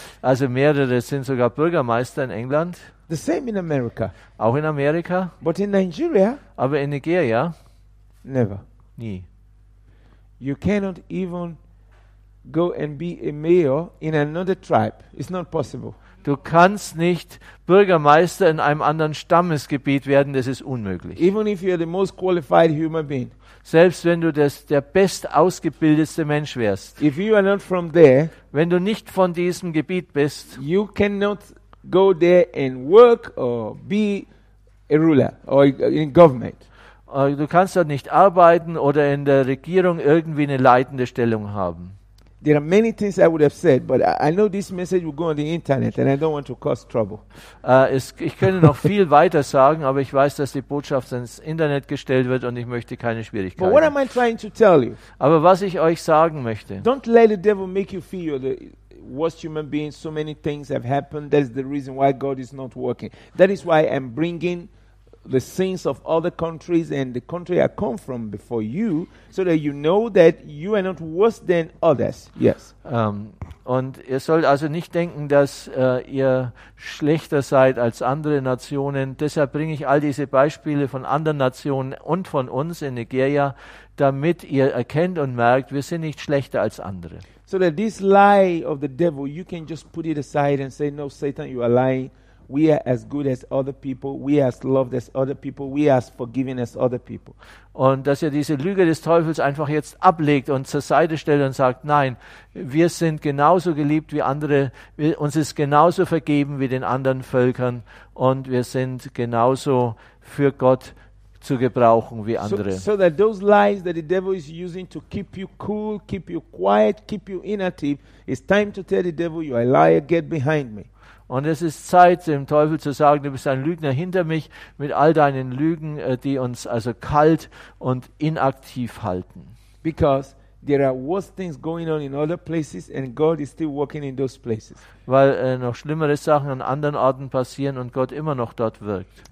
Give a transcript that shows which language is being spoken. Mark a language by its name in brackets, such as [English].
[German] Also mehrere sind sogar Bürgermeister in England. [English] The same in America. [German] Auch in Amerika. [English] But in Nigeria. [German] Aber in Nigeria. [English] Never. [German] Nie. [English] You cannot even go and be a mayor in another tribe. It's not possible. [German] Du kannst nicht Bürgermeister in einem anderen Stammesgebiet werden. Das ist unmöglich. [English] Even if you are the most qualified human being. [German] Selbst wenn du der best ausgebildete Mensch wärst. [English] If you are not from there, [German] wenn du nicht von diesem Gebiet bist, [English] you cannot go there and work or be a ruler or in government. [German] Du kannst dort nicht arbeiten oder in der Regierung irgendwie eine leitende Stellung haben. [English] There are many things I would have said, but I know this message will go on the internet and I don't want to cause trouble. [German] Ich könnte noch viel weiter sagen, aber ich weiß, dass die Botschaft ins Internet gestellt wird und ich möchte keine Schwierigkeiten. [English] But what am I trying to tell you? [German] Aber was ich euch sagen möchte. [English] Don't let the devil make you feel you're the worst human being. So many things have happened. That's the reason why God is not working. That is why I'm bringing the sins of other countries and the country I come from before you, so that you know that you are not worse than others. Yes. [German] Und ihr sollt also nicht denken, dass ihr schlechter seid als andere Nationen. Deshalb bringe ich all diese Beispiele von anderen Nationen und von uns in Nigeria, damit ihr erkennt und merkt, wir sind nicht schlechter als andere. [English] So that this lie of the devil, you can just put it aside and say, no, Satan, you are lying. We are as good as other people. We are as loved as other people. We are as forgiving as other people. [German] Und dass ihr diese Lüge des Teufels einfach jetzt ablegt und zur Seite stellt und sagt, nein, wir sind genauso geliebt wie andere. Uns ist genauso vergeben wie den anderen Völkern. Und wir sind genauso für Gott zu gebrauchen wie andere. [English] So that those lies that the devil is using to keep you cool, keep you quiet, keep you inactive, it's time to tell the devil, you are a liar, get behind me. [German] Und es ist Zeit, dem Teufel zu sagen, du bist ein Lügner hinter mich mit all deinen Lügen, die uns also kalt und inaktiv halten. [English] Because there are worse things going on in other places and God is still working in those places. [German] Weil noch schlimmere Sachen an anderen Orten passieren und Gott immer noch dort wirkt.